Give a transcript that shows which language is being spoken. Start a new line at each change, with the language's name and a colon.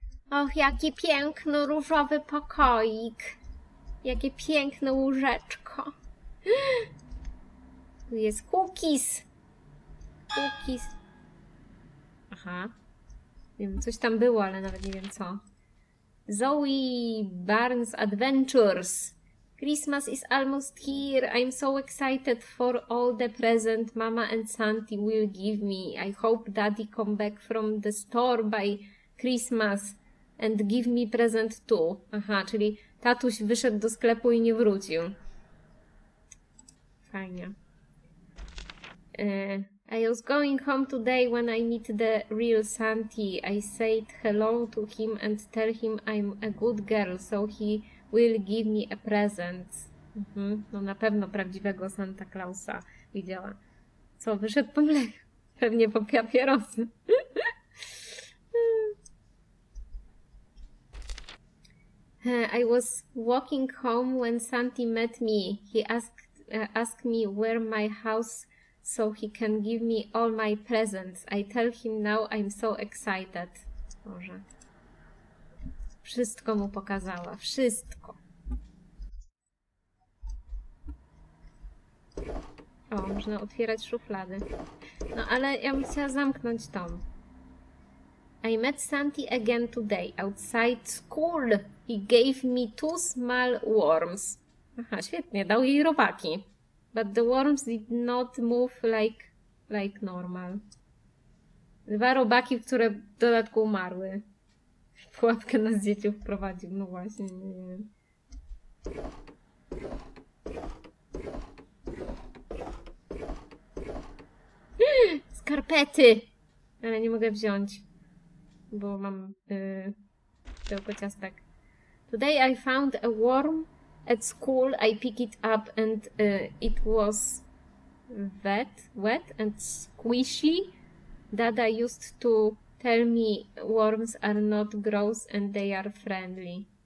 Polish: Och, jaki piękny różowy pokoik. Jakie piękne łóżeczko. Tu jest cookies. Cookies. Aha. Nie wiem, coś tam było, ale nawet nie wiem co. Zoe Barnes Adventures.
English: Christmas is almost here. I'm so excited for all the present Mama and Santi will give me. I hope Daddy come back from the store by Christmas and give me present too.
Polish: Aha, czyli tatuś wyszedł do sklepu i nie wrócił. Fajnie.
English: I was going home today when I meet the real Santi. I said hello to him and tell him I'm a good girl, so he will give me a present. Mhm.
Polish: No na pewno prawdziwego Santa Clausa widziała. Co, wyszedł po mleku? Pewnie po papierosy.
English: I was walking home when Santi met me. He asked me where my house so he can give me all my presents. I tell him now I'm so excited.
Polish: Boże. Wszystko mu pokazała. Wszystko. O, można otwierać szuflady. No, ale ja bym chciała zamknąć tą.
English: I met Santi again today outside school. He gave me two small worms.
Polish: Aha, świetnie. Dał jej robaki.
English: But the worms did not move like normal.
Polish: Dwa robaki, które w dodatku umarły. Pułapkę nas dzieci wprowadził, no właśnie, nie wiem. Skarpety! Ale nie mogę wziąć, bo mam tylko ciastek.
English: Today I found a worm. At school I picked it up and it was wet and squishy. Dada used to tell me worms are not gross and they are friendly.